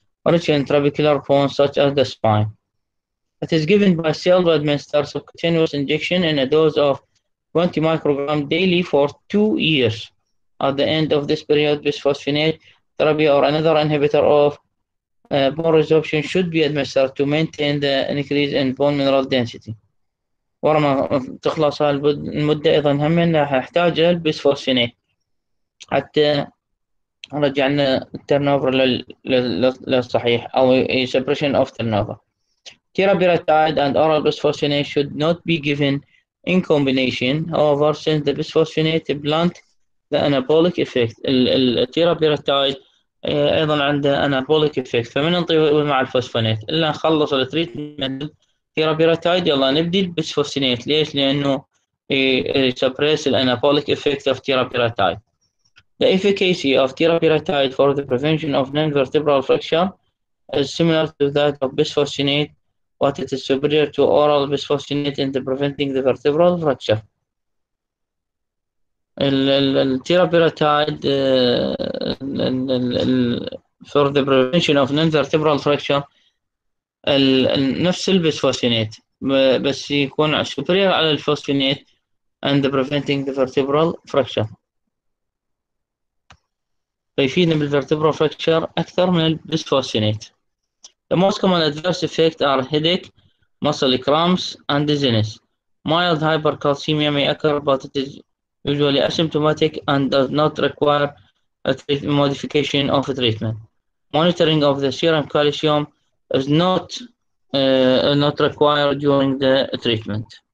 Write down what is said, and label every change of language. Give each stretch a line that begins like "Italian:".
English: rich in trabecular bones such as the spine. It is given by cell administered subcutaneous injection in a dose of 20 microgram daily for 2 years. At the end of this period, bisphosphonate therapy or another inhibitor of bone resorption should be administered to maintain the increase in bone mineral density.
Arabic: ورا ما تخلص هاي المدة أيضا هم راح يحتاج البيسفوسفينات حتى رجعنا التيرنوفر للصحيح أو
English: suppression of turnover. Tirabiratide and oral bisphosphonate should not be given in combination. However, since the bisphosphonate blunt the anabolic effect,
Arabic: التيرابيراتايد أيضا عنده
English: anabolic effect.
Arabic: فمن نطيه مع الفوسفونات إلا نخلص التريتمنت تيرابيراتايد يلا نبدي البسفوسينات. ليش؟ لأنه يسبريس الانابوليك افكت اوف تيرابيراتايد.
English: The efficacy of tirabiratide for the prevention of non-vertebral fracture is similar to that of bisphosphonate, but it is superior to oral bisphosphonate in the preventing the vertebral fracture. ال tirabiratide for the prevention of non-vertebral fracture
Arabic: نفس البسفوسينات بس يكون
English: superior
Arabic: على الفوسفينات
English: and preventing the vertebral fracture.
Arabic: فيفيدنا بالvertebral fracture أكثر من البسفوسينات.
English: The most common adverse effects are headache, muscle cramps, and dizziness. Mild hypercalcemia may occur, but it is usually asymptomatic and does not require a modification of a treatment. Monitoring of the serum calcium is not required during the treatment.